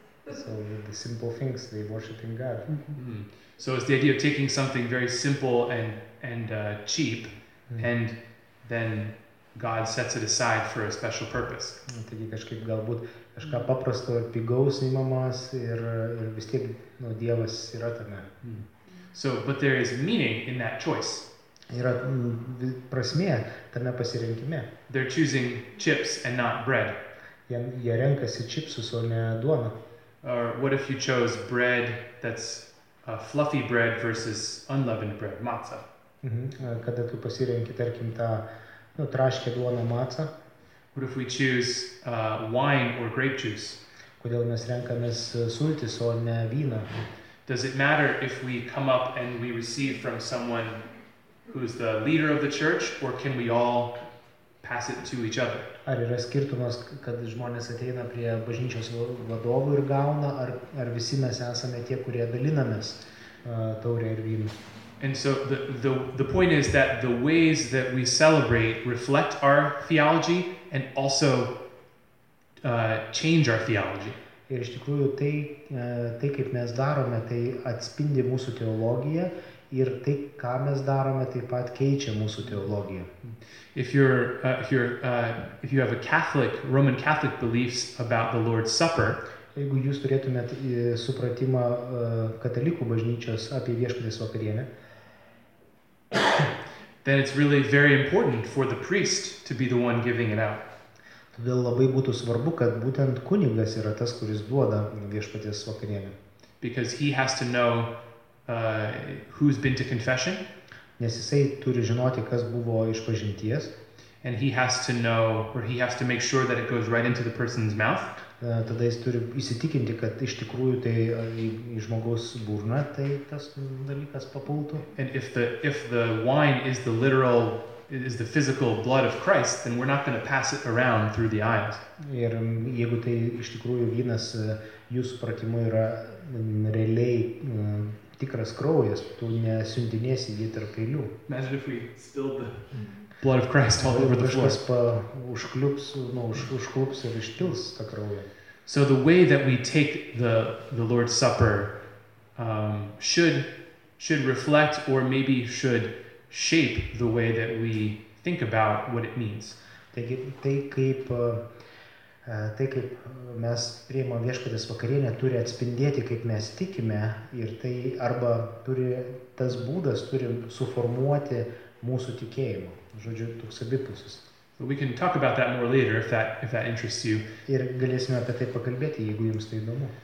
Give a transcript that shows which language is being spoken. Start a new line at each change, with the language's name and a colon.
English: So the simple things, they worship in God. Mm-hmm. So it's the idea of taking something very simple and cheap, mm-hmm. and then God sets it aside for a special purpose.
Lithuanian: Taigi kažkaip galbūt kažką paprasto ir pigaus įmamas ir vis tiek, nu, Dievas yra tame.
English: So, but there is meaning in that choice.
Lithuanian: Yra prasmė tame pasirinkime.
English: They're choosing chips and not bread.
Lithuanian: Jie renkasi čipsus, o ne duoną.
English: Or what if you chose bread that's a fluffy bread versus unleavened bread, matzah?
Lithuanian: Mhm. Kada tu pasirenki, tarkim, tą, nu, traškę duoną, matzah?
English: What if we choose wine or grape juice?
Lithuanian: Kodėl mes renkamės sultis, o ne vyną?
English: Does it matter if we come up and we receive from someone who's the leader of the church, or can we all pass it to each other.
Lithuanian: Ar yra skirtumas, kad žmonės ateina prie bažnyčios vadovų ir gauna, ar visi mes esame tie, kurie dalinamės taurę ir vyną.
English: And so the point is that the ways that we celebrate reflect our theology and also change our theology.
Lithuanian: Ir iš tikrųjų tai kaip mes darome, tai atspindi mūsų teologiją ir tai ką mes darome taip pat keičia mūsų teologiją.
English: If you have a Catholic, Roman Catholic beliefs about the Lord's Supper,
Lithuanian: jeigu jūs turėtumėt supratimą katalikų bažnyčios apie viešpaties vakarienę,
English: then it's really very important for the priest to be the one giving it out.
Lithuanian: Todėl labai būtų svarbu, kad būtent kunigas yra tas, kuris duoda viešpaties vakarienę.
English: Because he has to know who's been to confession.
Lithuanian: Nes jisai turi žinoti, kas buvo išpažinties.
English: And he has to know, or he has to make sure that it goes right into the person's mouth.
Lithuanian: Tada jis turi įsitikinti, kad iš tikrųjų tai į žmogaus burną tai tas dalykas papultų.
English: And if the wine is the literal, is the physical blood of Christ, then we're not going to pass it around through the aisles.
Lithuanian: Ir jeigu tai iš tikrųjų vynas jūsų supratimu yra realiai tikras kraujas, tu nesiuntinėsi jį tarp eilių.
English: Imagine if we spilled the blood of Christ all over the floor.
Lithuanian: Užklups ir ištils tą kraują.
English: So the way that we take the Lord's Supper should reflect or maybe should shape the way that we think about what it means.
Lithuanian: Tai kaip mes priimam viešpaties vakarienę turi atspindėti, kaip mes tikime, ir tai arba turi tas būdas turi suformuoti mūsų tikėjimą. Žodžiu, toks abipusis.
English: But we can talk about that more later if that interests you.
Lithuanian: Ir galėsime apie tai pakalbėti, jeigu jums tai įdomu.